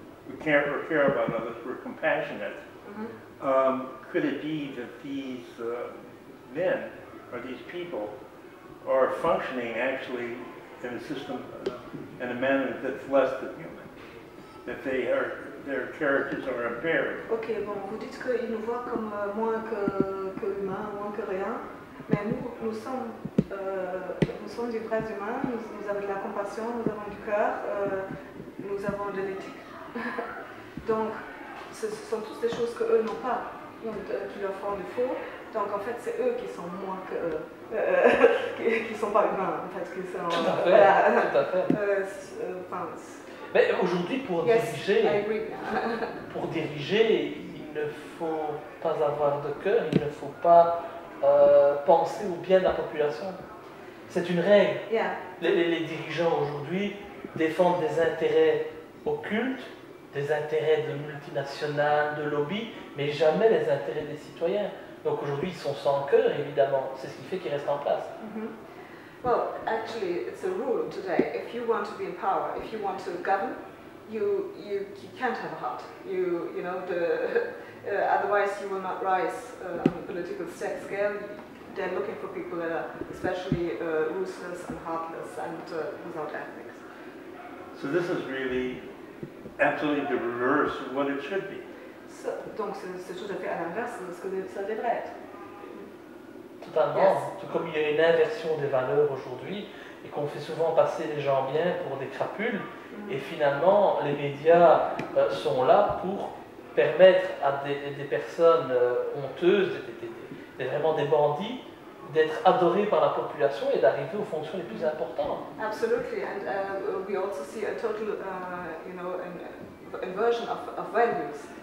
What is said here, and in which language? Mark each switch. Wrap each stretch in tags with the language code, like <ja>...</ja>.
<en>We care or care about others. We're compassionate. Mm-hmm. Could it be that these men or these people are functioning actually in a system in a manner that's less than human? That they are, their characters are impaired.</en> <fr>Okay, bon, vous dites qu'ils nous voient comme moins que humains, moins que rien. Mais nous sommes des vrais humains, nous avons de la compassion, nous avons du cœur, nous avons de l'éthique. Donc, ce sont toutes des choses qu'eux n'ont pas, qui leur font défaut. Donc, en fait, c'est eux qui sont moins que eux, qui ne sont pas humains, en fait. Mais aujourd'hui, pour diriger, pour diriger, il ne faut pas avoir de cœur, il ne faut pas penser au bien de la population. C'est une règle.</fr> <en>Yeah.</en> <fr>Les dirigeants aujourd'hui défendent des intérêts occultes, des intérêts de multinationales, de lobbies, mais jamais les intérêts des citoyens. Donc aujourd'hui, ils sont sans cœur, évidemment. C'est ce qui fait qu'ils restent en place.</fr> <en>Mm-hmm. Well, actually, it's a rule today. If you want to be in power, if you want to govern, you can't have a heart. You know, otherwise you will not rise on the political scale. They're looking for people that are especially ruthless and heartless and without ethics. So this is really absolutely the reverse of what it should be.</en> <fr>So, donc c'est tout à fait à l'inverse de ce que ça devrait être. Totalement.</fr> <en>Yes.</en> <fr>Tout comme il y a une inversion des valeurs aujourd'hui et qu'on fait souvent passer les gens bien pour des crapules, mm-hmm. et finalement les médias sont là pour permettre à des personnes honteuses, des vraiment des bandits, d'être adorés par la population et d'arriver aux fonctions les plus importantes.</fr> <en>Absolutely, and we also see a total, you know, an inversion of values.</en>